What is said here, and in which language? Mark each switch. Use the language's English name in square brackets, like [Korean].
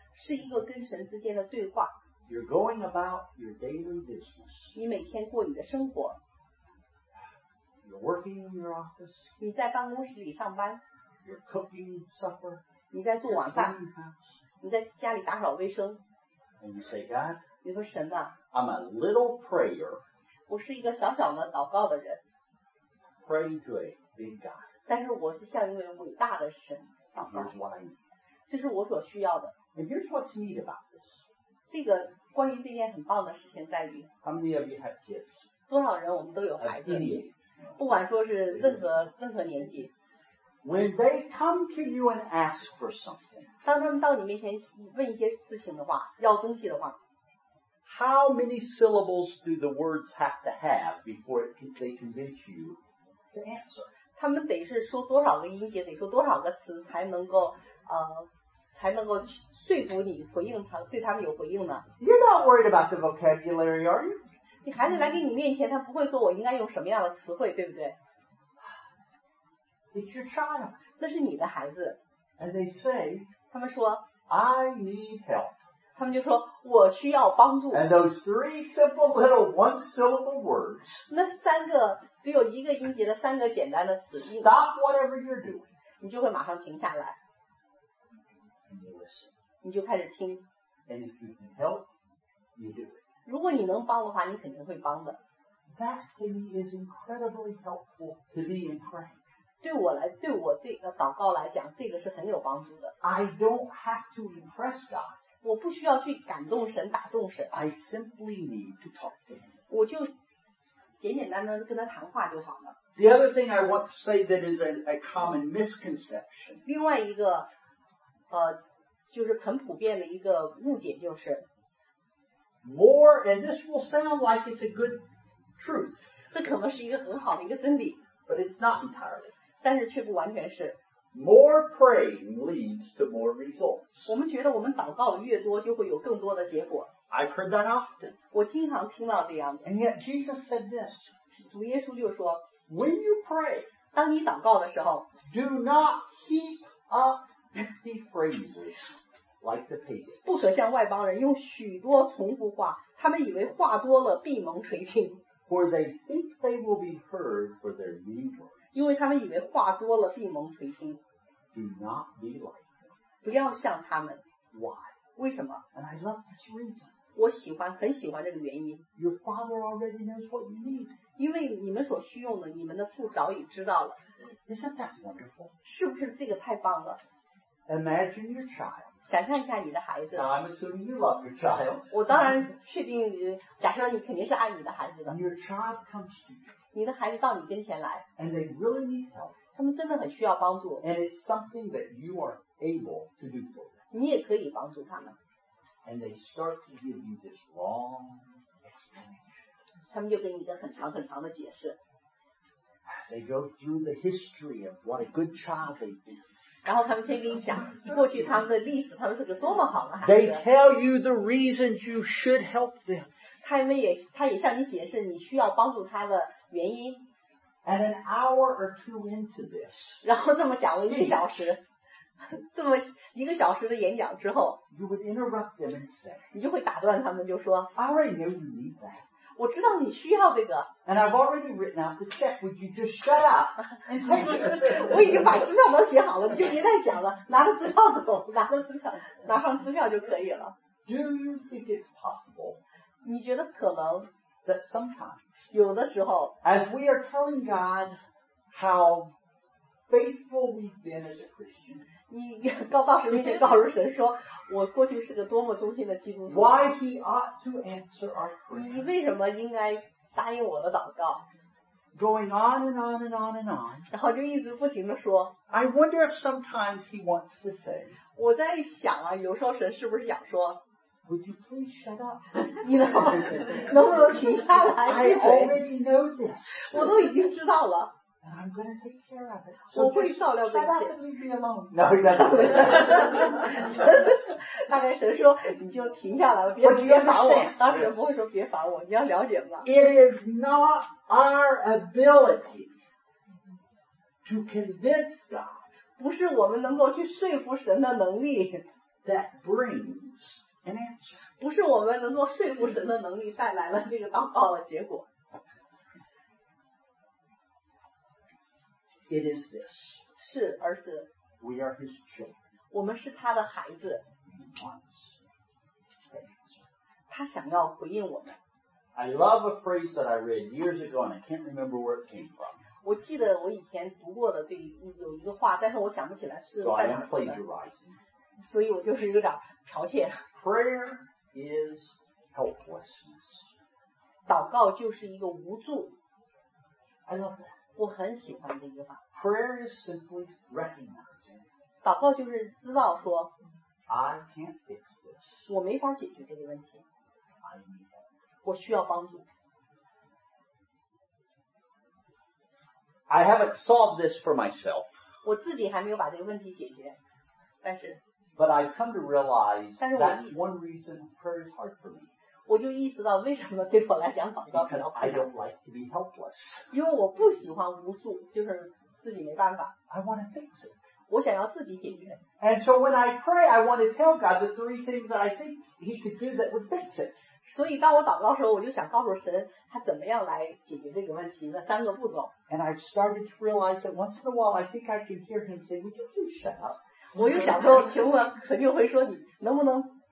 [Chinese] 是一个跟神之间的对话。 [English] You're going about your daily business. [Chinese] 你每天过你的生活。 [English] You're working in your office. [Chinese] 你在办公室里上班。 [English] You're cooking supper. [Chinese] 你在做晚饭。 [English] You're cleaning house. [Chinese] 你在家里打扫卫生。 [English] And you say, God, [Chinese] 你说神啊, [English] I'm a little prayer. [Chinese] 我是一个小小的祷告的人。 [English] Praying to a big God. [Chinese] 但是我是向一位伟大的神祷告。 [English] Here's what I need. [Chinese] 这是我所需要的。 [English] And here's what's neat about this. [Chinese] 这个关于这件很棒的事情在于 [English] How many of you have kids? [Chinese] 多少人我们都有孩子 不管说是任何年纪 [English] When they come to you and ask for something [Chinese] 当他们到你面前问一些事情的话要东西的话 [English] How many syllables do the words have to have before they convince you to answer? [Chinese] 他们得是说多少个音节得说多少个词才能够 才能够说服你回应他，对他们有回应呢。 [English] You're not worried about the vocabulary, are you? [Chinese] 你孩子来给你面前，他不会说我应该用什么样的词汇，对不对？ [English] It's your child. [Chinese] 那是你的孩子。 [English] And they say, [Chinese] 他们说, [English] I need help. [Chinese] 他们就说, [English] and those three simple little one-syllable words, [Chinese] 那三个只有一个音节的三个简单的词, [English] stop whatever you're doing. [Chinese] 你就会马上停下来, [English] and you listen. [Chinese] 你就开始听, [English] and if you can help, you do it. [Chinese] 如果你能帮的话, 你肯定会帮的。 [English] That to me is incredibly helpful to be in prayer. [Chinese] 对我来讲, 这个是很有帮助的。 [English] I don't have to impress God. [Chinese] 我不需要去感动神, 打动神。 [English] I simply need to talk to him. [Chinese] 我就简简单单跟他谈话就好了。 [English] The other thing I want to say that is a common misconception. [Chinese] 另外一个, 就是很普遍的一个误解就是, [English] more, and this will sound like it's a good truth. [Chinese] 这可能是一个很好的一个真理。 [English] But it's not entirely. [Chinese] 但是却不完全是。 [English] More praying leads to more results. [Chinese] 我们觉得我们祷告越多就会有更多的结果。 [English] I've heard that often. [Chinese] 我经常听到这样的。 [English] And yet Jesus said this. [Chinese] 主耶稣就说, [English] when you pray, [Chinese] 当你祷告的时候, [English] do not heap up empty phrases like the pagans. [Chinese] 不可像外邦人用许多重复话, 他们以为话多了必蒙垂听。 [English] For they think they will be heard for their many words. [Chinese] 因为他们以为话多了必蒙垂听。 [English] Do not be like them. [Chinese] 不要像他们。 [English] Why? [Chinese] 为什么? [English] And I love this reason. [Chinese] 我喜欢, 很喜欢这个原因。 [English] Your father already knows what you need. [Chinese] 因为你们所需用的, 你们的父早已知道了。 [English] Isn't that wonderful? [Chinese] 是不是这个太棒了? [English] Imagine your child. [Chinese] 想象一下你的孩子。 [English] Now I'm assuming you love your child. [Chinese] 我当然确定你, 假设你肯定是爱你的孩子的。 [English] And your child comes to you. [Chinese] 你的孩子到你跟前来, [English] and they really need help. [Chinese] 他们真的很需要帮助, [English] and it's something that you are able to do for them. [Chinese] 你也可以帮助他们。 [English] And they start to give you this long explanation. [Chinese] 他们就给你一个很长很长的解释。 [English] They go through the history of what a good child they've been. [Chinese] 然后他们先给你讲过去他们的历史, 他们是个多么好的孩子。 [English] They tell you the reasons you should help them. [Chinese] 他也向你解释你需要帮助他的原因。 [English] And an hour or two into this, [Chinese] 然后这么讲了一个小时, 这么一个小时的演讲之后, [English] you would interrupt them and say, [Chinese] 你就会打断他们就说, [English] I already know you need that. [Chinese] 我知道你需要这个。 [English] And I've already written out the check. Would you just shut up and take it? [Chinese] 我已经把资料都写好了, 你就别再讲了, 拿着资料走, 拿着资料, 拿上资料就可以了。 [English] Do you think it's possible? [Chinese] 你觉得可能, [English] that sometimes, [Chinese] 有的时候, [English] as we are telling God how faithful we've been as a Christian, [Chinese] 你告到神面前告诉神说, 我过去是个多么忠心的基督徒, [English] why he ought to answer our prayer, [Chinese] 你为什么应该答应我的祷告, [English] going on and on and on and on, [Chinese] 然后就一直不停地说, [English] I wonder if sometimes he wants to say, [Chinese] 我在想啊, 有时候神是不是想说, [English] would you please shut up? [Chinese] 你能不能停下来? [English] I already know this. [Chinese] 我都已经知道了。 [English] And I'm going to take care of it. [Chinese] So 我会照料这些。 [English] Shut up and leave me alone. No, he doesn't. [Chinese] 大概神说, 你就停下来, 别烦我。当时人不会说, 别烦我, 你要了解吗? [English] It is not our ability to convince God. [Chinese] 不是我们能够去说服神的能力, [English] that brings an answer. [Chinese] 不是我们能够说服神的能力带来了这个祷告的结果。 [English] It is this. [Chinese] 是, 而是, [English] we are his children. [Chinese] 我们是他的孩子。 [English] He wants an answer. [Chinese] 他想要回应我们。 [English] I love a phrase that I read years ago and I can't remember where it came from. [Chinese] 我记得我以前读过的这有一个话, 但是我想不起来是在哪里的。 [English] So I am plagiarizing. [Chinese] 所以我就是有点剽窃。 [English] Prayer is helplessness. [Chinese] 祷告就是一个无助。 [English] I love that. [Chinese] 我很喜欢这句话。 [English] Prayer is simply recognizing. [Chinese] 祷告就是知道说, [English] I can't fix this. [Chinese] 我没法解决这个问题。 [English] I need help. [Chinese] 我需要帮助。 [English] I haven't solved this for myself. [Chinese] 我自己还没有把这个问题解决，但是。 [English] But I've come to realize that's one reason prayer is hard for me. [Chinese] 我就意识到为什么对我来讲祷告比较难。 [English] Because I don't like to be helpless. [Chinese] 因为我不喜欢无助，就是自己没办法。 [English] I want to fix it. [Chinese] 我想要自己解决。 [English] And so when I pray, I want to tell God the three things that I think He could do that would fix it. [Chinese] 所以当我祷告的时候，我就想告诉神，他怎么样来解决这个问题的三个步骤。 [English] And I started to realize that once in a while, I think I can hear Him say, "Would you please shut up?" [Chinese] 我又想说，请问神就会说你能不能？